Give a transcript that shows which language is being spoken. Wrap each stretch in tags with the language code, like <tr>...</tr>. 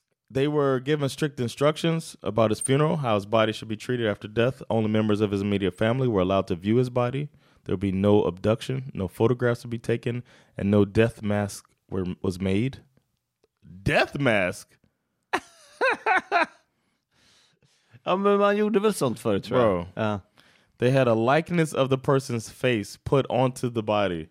<en>they were given strict instructions about his funeral, how his body should be treated after death. Only members of his immediate family were allowed to view his body. There would be no abduction, no photographs would be taken, and no death mask was made. Death mask?</en> <sv>Ja, men man gjorde väl sånt förut, tror jag.</sv> <en>Bro, they had a likeness of the person's face put onto the body.</en>